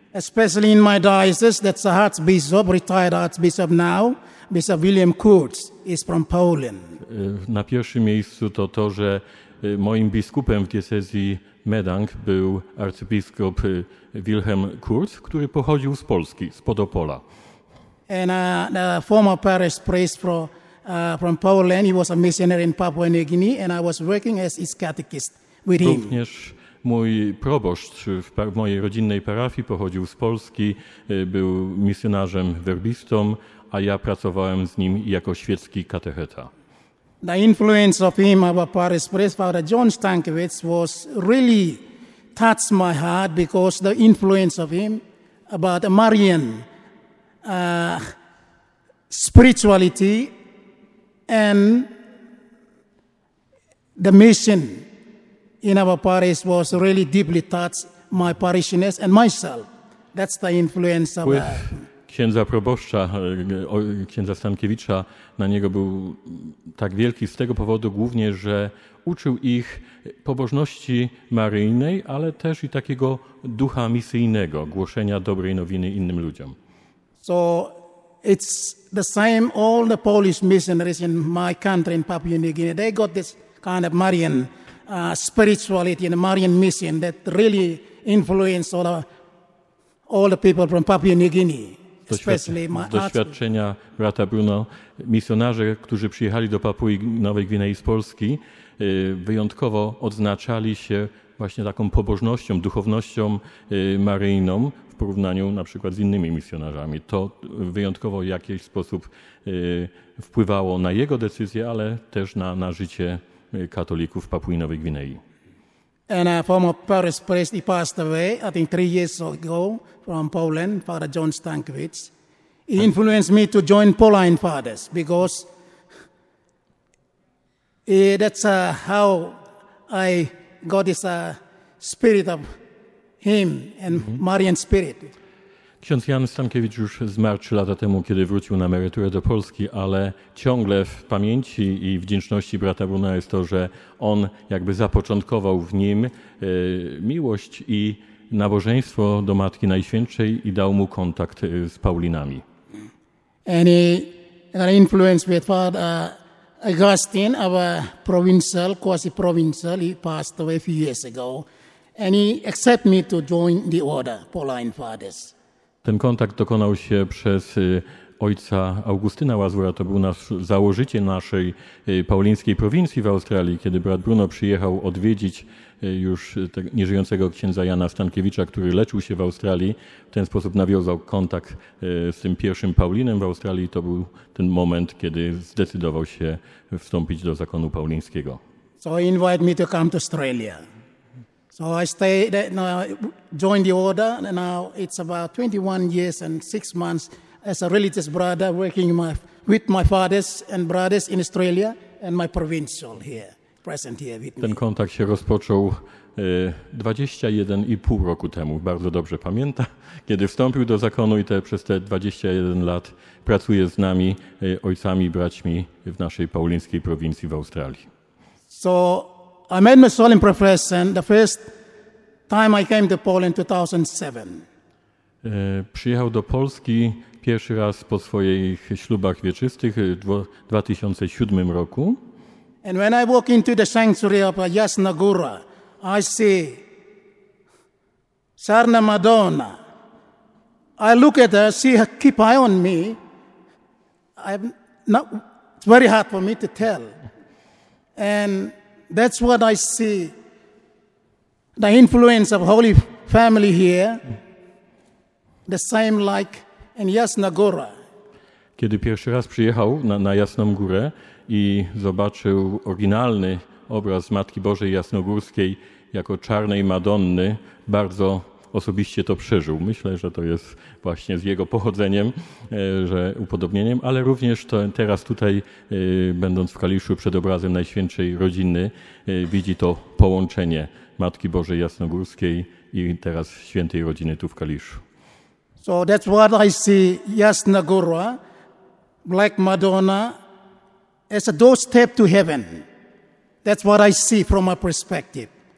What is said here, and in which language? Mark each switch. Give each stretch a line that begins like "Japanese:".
English: Especially in my diocese, that's the archbishop, retired archbishop now, Bishop William Kurz, is from Poland.
Polish: Na pierwszym miejscu to to, że moim biskupem w diecezji Medang był arcybiskup Wilhelm Kurz, który pochodził z Polski, z Podopola.
English: And the former parish priest from Poland, he was a missionary in Papua New Guinea, and I was working as his catechist with him.
Polish: Również mój proboszcz w mojej rodzinnej parafii pochodził z Polski, był misjonarzem werbistą, a ja pracowałem z nim jako świecki katecheta.
English: The influence of him, our parish priest, Father John Stankiewicz, was really touched my heart because the influence of him about the Marian spirituality and the mission in our parish was really deeply touched my parishioners and myself. That's the influence of him.
Polish: Księdza proboszcza, księdza Stankiewicza, na niego był tak wielki z tego powodu głównie, że uczył ich pobożności maryjnej, ale też i takiego ducha misyjnego, głoszenia dobrej nowiny innym ludziom.
English: So it's the same, all the Polish missionaries in my country, in Papua New Guinea, they got this kind of Marian spirituality and Marian mission that really influenced all the people from Papua New Guinea.
Polish: Doświadczenia brata Bruno, misjonarze, którzy przyjechali do Papui Nowej Gwinei z Polski, wyjątkowo odznaczali się właśnie taką pobożnością, duchownością maryjną w porównaniu na przykład z innymi misjonarzami. To wyjątkowo w jakiś sposób wpływało na jego decyzję, ale też na życie katolików w Papui Nowej Gwinei.
English: And a former parish priest, he passed away, I think 3 years ago, from Poland, Father John Stankiewicz. He influenced me to join Pauline Fathers, because that's how I got this spirit of him and Marian spirit.
Polish: Ksiądz Jan Stankiewicz już zmarł 3 lata temu, kiedy wrócił na emeryturę do Polski, ale ciągle w pamięci i wdzięczności brata Bruna jest to, że on jakby zapoczątkował w nim miłość i nabożeństwo do Matki Najświętszej i dał mu kontakt z Paulinami.
English: And he influenced with Father Augustine, our provincial, quasi-provincial, he passed away a few years ago. And he accepted me to join the order, Pauline Fathers.
Polish: Ten kontakt dokonał się przez ojca Augustyna Łazura. To był nasz założyciel naszej paulińskiej prowincji w Australii, kiedy brat Bruno przyjechał odwiedzić już nieżyjącego księdza Jana Stankiewicza, który leczył się w Australii. W ten sposób nawiązał kontakt z tym pierwszym Paulinem w Australii. To był ten moment, kiedy zdecydował się wstąpić do zakonu paulińskiego.
English: So he invited me to come to Australia. So I stayed now, joined the order, and now it's about 21 years and 6 months as a religious brother working with my fathers and brothers in Australia and my provincial here, present here with me.
Polish: Ten kontakt się rozpoczął 21,5 roku temu, bardzo dobrze pamięta, kiedy wstąpił do zakonu i przez te 21 lat pracuje z nami, ojcami, braćmi w naszej paulińskiej prowincji w Australii.
English: So I made my solemn profession the first time I came to Poland in 2007.
Polish: Przyjechał do Polski pierwszy raz po swoich ślubach wieczystych w 2007 roku.
English: And when I walk into the sanctuary of Jasna Góra, I see Czarna Madonna. I look at her, see her keep eye on me. It's very hard for me to tell. And that's what I see, the influence of Holy Family here, the same like in Jasna Góra.
Polish: Kiedy pierwszy raz przyjechał na Jasną Górę i zobaczył oryginalny obraz Matki Bożej Jasnogórskiej jako czarnej Madonny, bardzo osobiście to przeżył. Myślę, że to jest właśnie z jego pochodzeniem, że upodobnieniem, ale również to teraz tutaj, będąc w Kaliszu przed obrazem Najświętszej Rodziny, widzi to połączenie Matki Bożej Jasnogórskiej i teraz Świętej Rodziny tu w Kaliszu.
English: So that's what I see, Jasna Góra, Black Madonna, as a doorstep to heaven. That's what I see from my perspective.